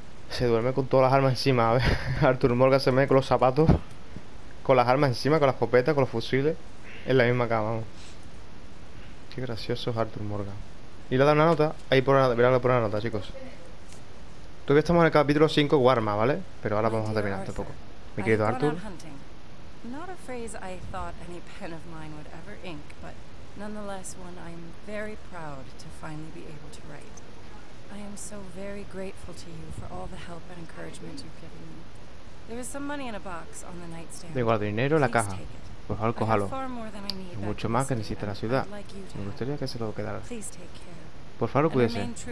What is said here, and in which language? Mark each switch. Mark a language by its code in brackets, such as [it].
[es] Se duerme con todas las armas encima. A ver, Arthur Morgan se mete con los zapatos, con las armas encima, con las escopetas, con los fusiles, en la misma cama. Qué gracioso es Arthur Morgan. Y le da una nota. Ahí por una, mirad, por una nota, chicos. Todavía estamos en el capítulo 5, Warma, ¿vale? Pero ahora vamos a terminar este poco. Mi querido Arthur. [en] Not a phrase I thought any pen of mine would ever ink, but nonetheless one I'm very proud to finally be able to write. I am so very grateful to you for all the help and encouragement you've given me. There is some money in a box on the nightstand. [es] Tengo el dinero en la caja. Por favor, cójalo. Mucho más que necesita la ciudad. Me gustaría que se lo quedara. Por favor, cuídese.